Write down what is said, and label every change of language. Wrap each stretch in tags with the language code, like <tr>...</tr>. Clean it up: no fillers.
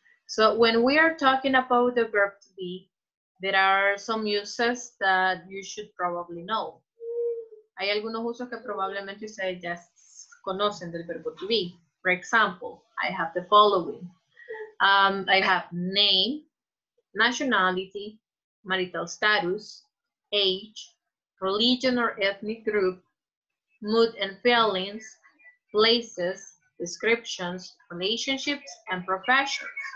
<en>So when we are talking about the verb to be, there are some uses that you should probably know.</en> <es>Hay algunos usos que probablemente ustedes ya conocen del verbo to be.</es> <en>For example, I have the following. I have name, nationality, marital status, age, religion or ethnic group, mood and feelings, places, descriptions, relationships, and professions.</en>